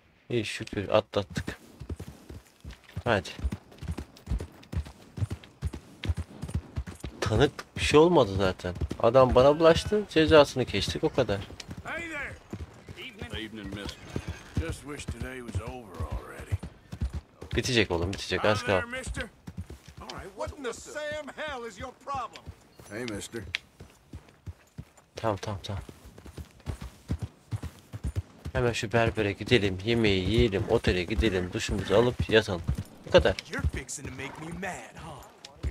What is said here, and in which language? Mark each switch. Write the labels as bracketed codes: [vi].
[tr] İyi şükür atlattık. Hadi. Tanık bir şey olmadı zaten. Adam bana bulaştı, cezasını kestik o kadar. [en] Hey there. Evening. Evening, mister. Just wish today was over already. [tr] Bitecek oğlum, bitecek. Az kal. [en] What in the Sam hell is your problem? Hey mister. [tr] Tamam. Hemen şu berbere gidelim, yemeği yiyelim, otele gidelim, duşumuzu alıp yatalım. Bu kadar. [en] You're fixing to make me mad, huh?